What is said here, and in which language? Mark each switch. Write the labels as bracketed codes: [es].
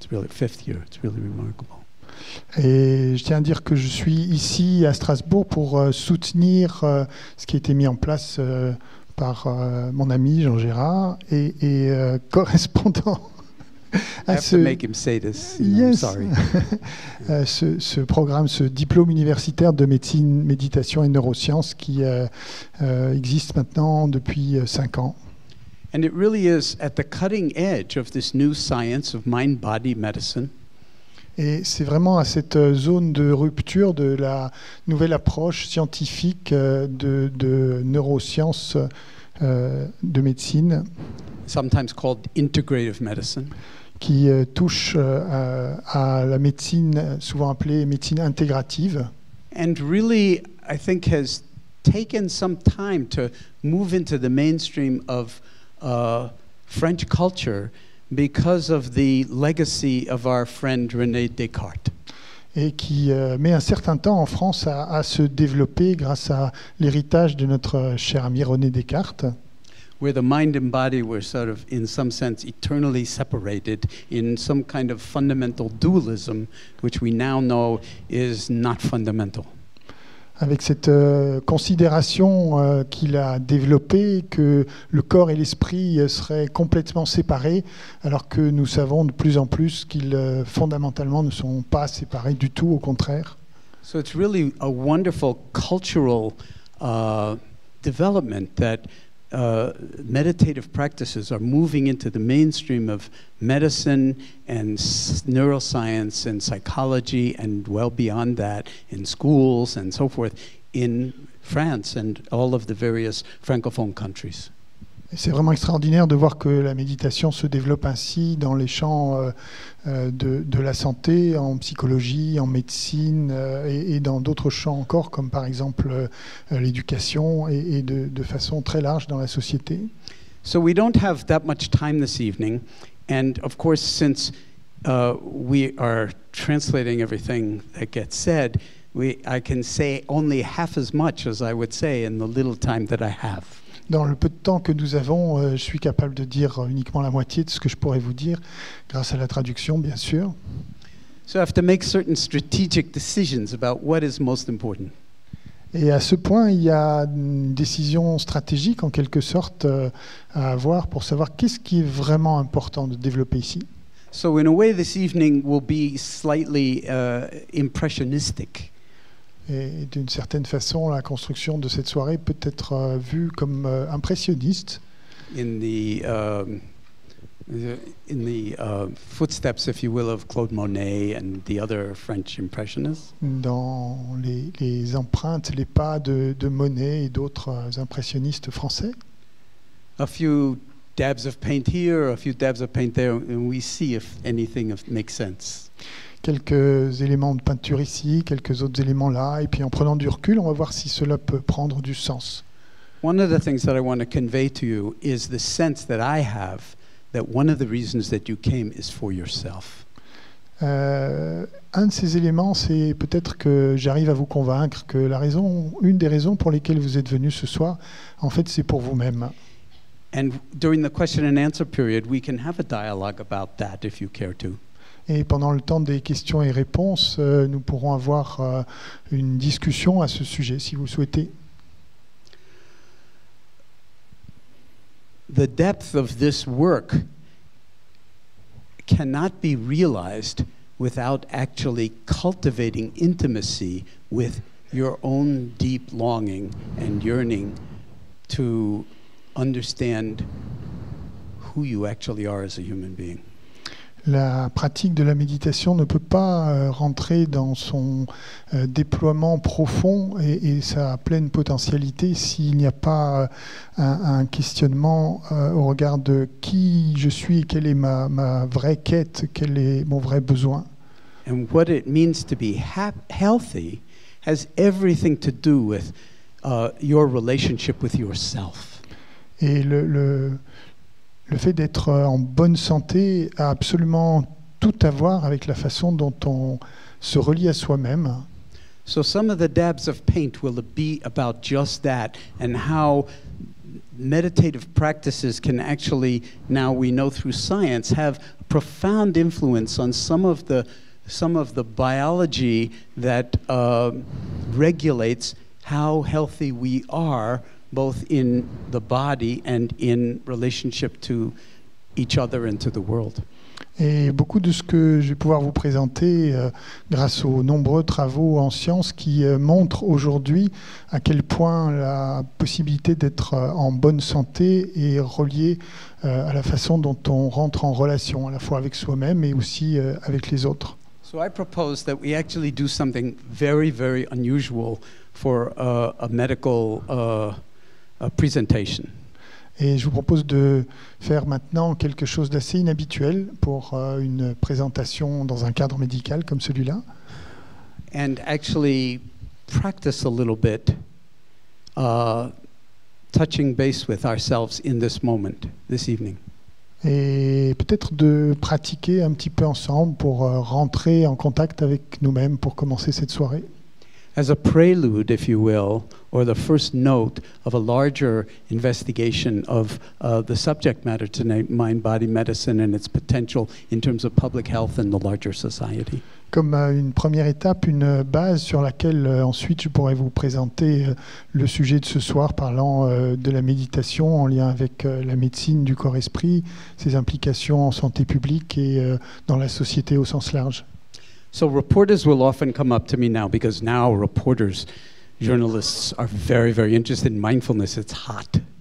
[en] It's really fifth year. It's really remarkable. [fr] Et je tiens à dire que je suis ici à Strasbourg pour soutenir ce qui a été mis en place par mon ami Jean Gérard et correspondant à ce, [en] make him say this, yes. I'm sorry. [fr] ce programme, ce diplôme universitaire de médecine, méditation et neurosciences qui existe maintenant depuis 5 ans. [en] And it really is at the cutting edge of this new science of mind-body medicine. [fr] Et c'est vraiment à cette zone de rupture de la nouvelle approche scientifique de neurosciences de médecine. [en] Sometimes called integrative medicine. [fr] Qui touche à la médecine, souvent appelée médecine intégrative. [en] And really, I think, has taken some time to move into the mainstream of French culture because of the legacy of our friend René Descartes. [fr] Et qui met un certain temps en France à se développer grâce à l'héritage de notre cher ami René Descartes. [en] Where the mind and body were sort of in some sense eternally separated in some kind of fundamental dualism which we now know is not fundamental. [fr] Avec cette considération qu'il a développée, que le corps et l'esprit seraient complètement séparés, alors que nous savons de plus en plus qu'ils fondamentalement ne sont pas séparés du tout, au contraire. [en] So it's really a wonderful cultural development that meditative practices are moving into the mainstream of medicine and neuroscience and psychology and well beyond that in schools and so forth in France and all of the various francophone countries. [fr] C'est vraiment extraordinaire de voir que la méditation se développe ainsi dans les champs de la santé, en psychologie, en médecine et dans d'autres champs encore, comme par exemple l'éducation et de façon très large dans la société. [en] So we don't have that much time this evening, and of course, since we are translating everything that gets said, I can say only half as much as I would say in the little time that I have. [fr] Dans le peu de temps que nous avons, je suis capable de dire uniquement la moitié de ce que je pourrais vous dire, grâce à la traduction, bien sûr. [en] So I have to make certain strategic decisions about what is most important. [fr] Et à ce point, il y a une décision stratégique, en quelque sorte, à avoir pour savoir qu'est-ce qui est vraiment important de développer ici. [en] So in a way, this evening will be slightly impressionistic. [fr] Et d'une certaine façon, la construction de cette soirée peut être vue comme impressionniste. [en] In the footsteps, if you will, of Claude Monet and the other French impressionists. [fr] Dans les empreintes, les pas de Monet et d'autres impressionnistes français. [en] A few dabs of paint here, a few dabs of paint there, and we see if anything makes sense. [fr] Quelques éléments de peinture ici, quelques autres éléments là, et puis en prenant du recul, on va voir si cela peut prendre du sens. [en] One of the things that I want to convey to you is the sense that I have that one of the reasons that you came is for yourself. [fr] Un de ces éléments, c'est peut-être que j'arrive à vous convaincre que la raison, une des raisons pour lesquelles vous êtes venu ce soir, en fait, c'est pour vous-même. [en] And during the question and answer period, we can have a dialogue about that if you care to. [fr] Et pendant le temps des questions et réponses, nous pourrons avoir une discussion à ce sujet, si vous le souhaitez. [en] The depth of this work cannot be realized without actually cultivating intimacy with your own deep longing and yearning to understand who you actually are as a human being. [fr] La pratique de la méditation ne peut pas rentrer dans son déploiement profond et sa pleine potentialité s'il n'y a pas un questionnement au regard de qui je suis, quelle est ma vraie quête, quel est mon vrai besoin. [en] And what it means to be healthy has everything to do with your relationship with yourself. [fr] Et le fait d'être en bonne santé a absolument tout à voir avec la façon dont on se relie à soi-même. [en] So some of the dabs of paint will be about just that and how meditative practices can actually, now we know through science, have profound influence on some of the biology that regulates how healthy we are, both in the body and in relationship to each other and to the world. [fr] Et beaucoup de ce que je vais pouvoir vous présenter grâce aux nombreux travaux en sciences qui montrent aujourd'hui à quel point la possibilité d'être en bonne santé est reliée à la façon dont on rentre en relation à la fois avec soi-même et aussi avec les autres. [en] So I propose that we actually do something very very unusual for a medical a presentation. [fr] Et je vous propose de faire maintenant quelque chose d'assez inhabituel pour une présentation dans un cadre médical comme celui-là. [en] And actually practice a little bit touching base with ourselves in this moment, this evening. [fr] Et peut-être de pratiquer un petit peu ensemble pour rentrer en contact avec nous-mêmes pour commencer cette soirée. [en] As a prelude, if you will, or the first note of a larger investigation of the subject matter tonight, mind-body medicine and its potential in terms of public health and the larger society. [fr] Comme une première étape, une base sur laquelle ensuite je pourrais vous présenter le sujet de ce soir, parlant de la méditation en lien avec la médecine du corps-esprit, ses implications en santé publique et dans la société au sens large. [en] So reporters will often come up to me now because now reporters, journalists are very, very interested in mindfulness. It's hot.